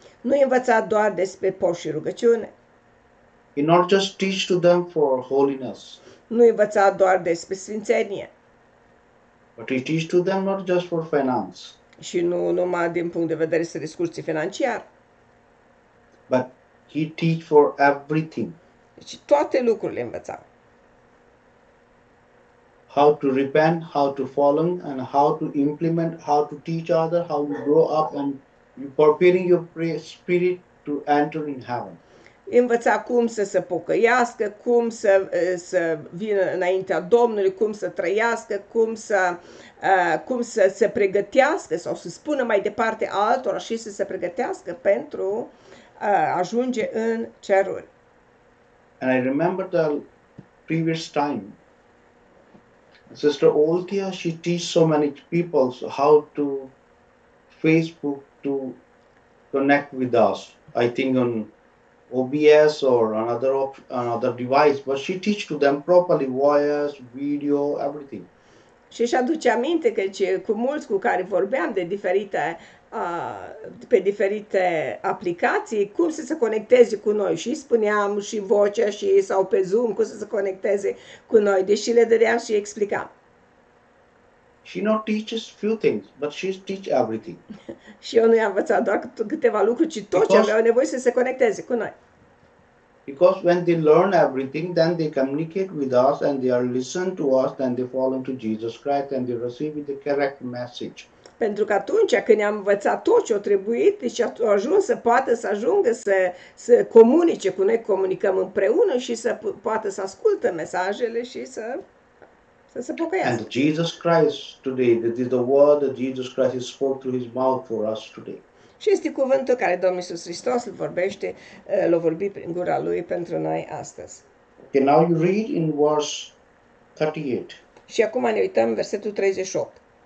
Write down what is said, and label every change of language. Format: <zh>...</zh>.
<ro>Nu învăța doar despre post și rugăciune.</ro> <en>He not just teach to them for holiness.</en> <ro>Nu învăța doar despre sfințenie.</ro> <en>But he teach to them not just for finance.</en> <ro>Și nu numai din punct de vedere să discursi financiar.</ro> <en>But he teach for everything.</en> <ro>Deci toate lucrurile învăța.</ro> <en>How to repent, how to follow, and how to implement, how to teach others, how to grow up, and you preparing your spirit to enter in heaven.</en> <ro>Învăța cum să se pocăiască, cum să vină înaintea Domnului, cum să trăiască, cum să se pregătească sau să spună mai departe altora și să se pregătească pentru a ajunge în ceruri.</ro> <en>And I remember the previous time. Sister Oltia, she teach so many people how to Facebook to connect with us. I think on OBS or another device, but she teach to them properly, voice, video, everything.</en> <ro>Și își aduce aminte că cu mulți cu care vorbeam de diferite pe diferite aplicații, cum să se conecteze cu noi. Și spuneam și vocea și sau pe Zoom, cum să se conecteze cu noi. Deși le dădeam și explicam.</ro> <en>She not teaches few things, but she teach everything.</en> <ro>Și eu nu i-am învățat doar câteva lucruri, ci tot</ro> <en>because,</en> <ro>ce aveau nevoie să se conecteze cu noi.</ro> <en>Because when they learn everything, then they communicate with us and they are listen to us, then they fall into Jesus Christ and they receive the correct message.</en> <ro>Pentru că atunci când i-am învățat tot ce a trebuit, deci a ajuns să poată să ajungă să comunice cu noi, comunicăm împreună și să poată să ascultă mesajele și să se pocăiască.</ro> <en>And Jesus Christ today, this is the word that Jesus Christ spoke through his mouth for us today.</en> <ro>Și este cuvântul care Domnul Iisus Hristos îl vorbește, l-a vorbit prin gura lui pentru noi astăzi.</ro> <en>Okay, now you read in verse 38.</en> <ro>Și acum ne uităm în versetul 38.</ro>